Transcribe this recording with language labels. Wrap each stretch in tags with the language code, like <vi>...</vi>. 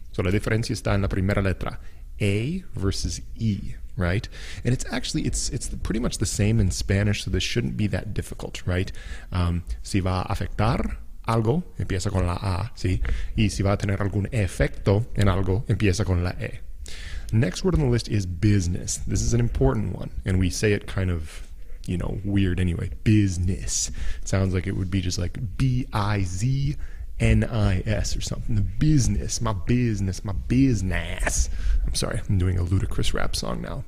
<en>So</en> <es>la diferencia está en la primera letra, A versus E,</es> <en>right? And it's actually, it's pretty much the same in Spanish, so this shouldn't be that difficult, right?</en> <es>Si va a afectar algo, empieza con la A, ¿sí? Y si va a tener algún efecto en algo, empieza con la E.</es> <en>Next word on the list is business. This is an important one, and we say it kind of, you know, weird anyway. Business. It sounds like it would be just like B-I-Z-N-I-S or something. The business. My business. My business. I'm sorry. I'm doing a ludicrous rap song now.</en>